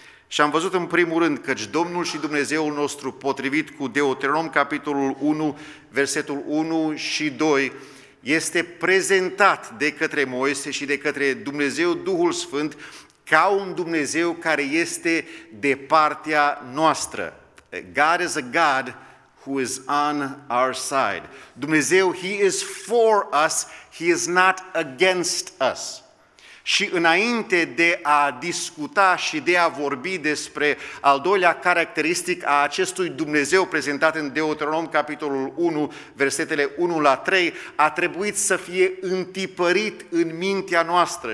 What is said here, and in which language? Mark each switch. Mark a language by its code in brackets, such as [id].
[ro] Și am văzut în primul rând căci Domnul și Dumnezeul nostru, potrivit cu Deuteronom capitolul 1, versetul 1 și 2, este prezentat de către Moise și de către Dumnezeu Duhul Sfânt ca un Dumnezeu care este de partea noastră. [en] God is a God who is on our side. Dumnezeu, He is for us, He is not against us. [ro] Și înainte de a discuta și de a vorbi despre al doilea caracteristic a acestui Dumnezeu prezentat în Deuteronom, capitolul 1, versetele 1 la 3, a trebuit să fie întipărit în mintea noastră.